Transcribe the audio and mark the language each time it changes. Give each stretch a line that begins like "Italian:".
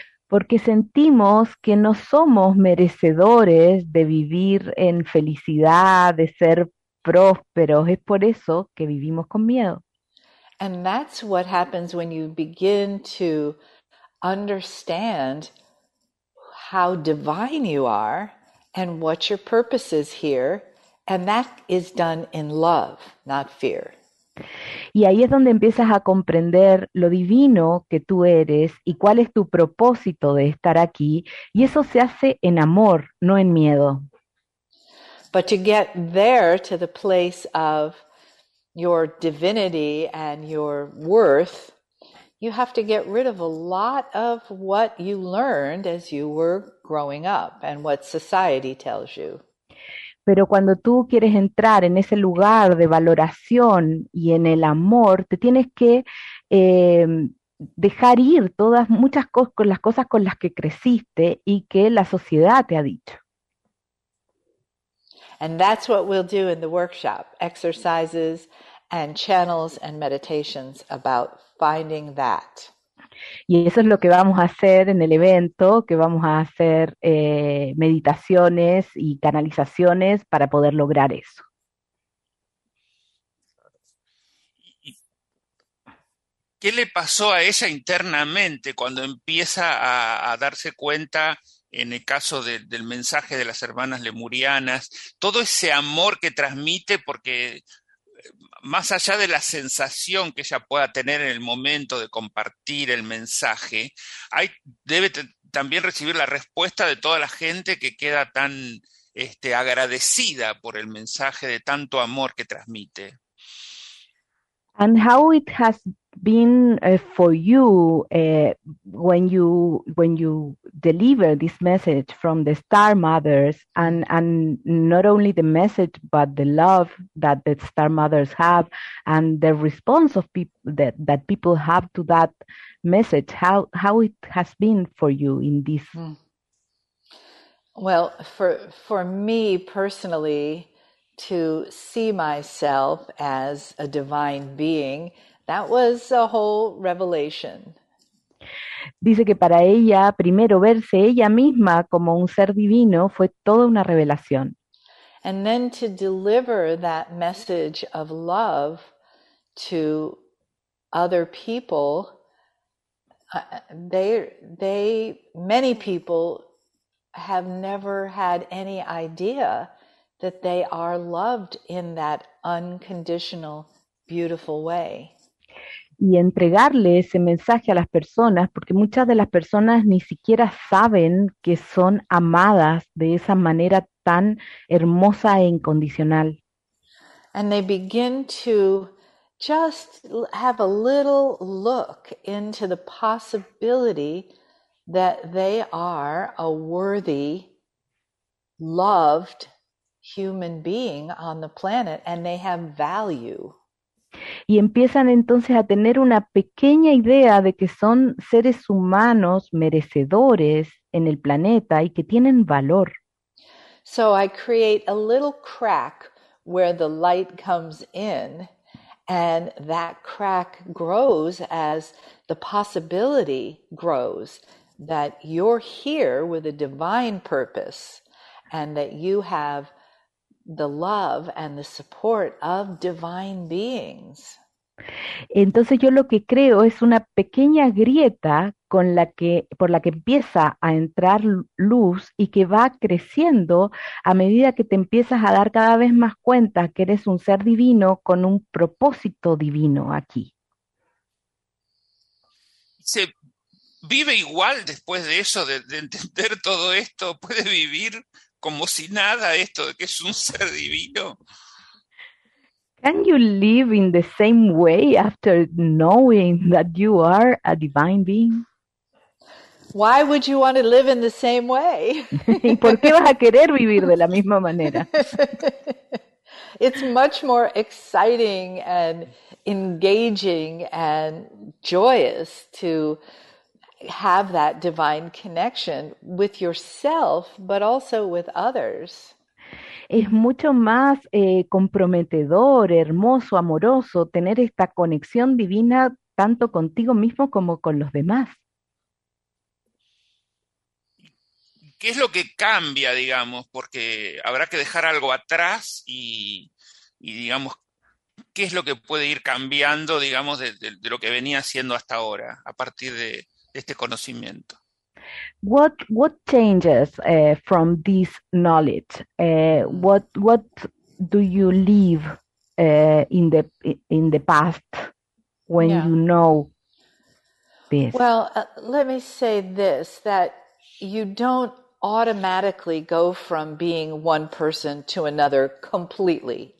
Spanish: Porque sentimos que no somos merecedores de vivir en felicidad, de ser prósperos, es por eso que vivimos con miedo.
English: And that's what happens when you begin to understand how divine you are and what your purpose is here. And that is done in love, not fear.
Spanish: Y ahí es donde empiezas a comprender lo divino que tú eres y cuál es tu propósito de estar aquí. Y eso se hace en amor, no en miedo.
English: But to get there to the place of your divinity and your worth, you have to get rid of a lot of what you learned as you were growing up and what society tells you.
Spanish: Pero cuando tú quieres entrar en ese lugar de valoración y en el amor, te tienes que dejar ir todas muchas cosas con las cosas con las que creciste y que la sociedad te ha dicho.
English: And that's what we'll do in the workshop, exercises and channels and meditations about finding that.
Spanish: Y eso es lo que vamos a hacer en el evento, que vamos a hacer meditaciones y canalizaciones para poder lograr eso. ¿Qué le pasó a ella internamente cuando empieza a darse cuenta, en el caso del mensaje de las hermanas lemurianas, todo ese amor que transmite, porque más allá de la sensación que ella pueda tener en el momento de compartir el mensaje, debe también recibir la respuesta de toda la gente que queda tan agradecida por el mensaje de tanto amor que transmite.
English: And how it has been for you when you deliver this message from the Star Mothers, and not only the message but the love that the Star Mothers have and the response of people that people have to that message, how it has been for you in this. Well, for me personally, to see myself as a divine being, that was a whole revelation.
Spanish: Dice que para ella, primero verse ella misma como un ser divino fue toda una revelación.
English: And then to deliver that message of love to other people, many people have never had any idea that they are loved in that unconditional, beautiful way.
Spanish: Y entregarle ese mensaje a las personas, porque muchas de las personas ni siquiera saben que son amadas de esa manera tan hermosa e incondicional.
English: And they begin to just have a little look into the possibility that they are a worthy, loved human being on the planet, and they have value.
Spanish: Y empiezan entonces a tener una pequeña idea de que son seres humanos merecedores en el planeta y que tienen valor.
English: So I create a little crack where the light comes in, and that crack grows as the possibility grows that you're here with a divine purpose and that you have the love and the support of divine beings.
Spanish: Entonces yo lo que creo es una pequeña grieta con la que, por la que empieza a entrar luz y que va creciendo a medida que te empiezas a dar cada vez más cuenta que eres un ser divino con un propósito divino aquí. ¿Se vive igual después de eso, de entender todo esto? ¿Puede vivir como si nada esto de que es un ser divino?
English: Can you live in the same way after knowing that you are a divine being? Why would you want to live in the same way?
Spanish: ¿Y por qué vas a querer vivir de la misma manera?
English: It's much more exciting and engaging and joyous to have that divine connection with yourself, but also with others.
Spanish: Es mucho más comprometedor, hermoso, amoroso tener esta conexión divina tanto contigo mismo como con los demás. ¿Qué es lo que cambia, digamos? Porque habrá que dejar algo atrás y digamos, ¿qué es lo que puede ir cambiando, digamos, de lo que venía haciendo hasta ahora, a partir de este conocimiento?
English: What changes from this knowledge? What do you live in the past when you know this? Well, let me say this, that you don't automatically go from being one person to another completely.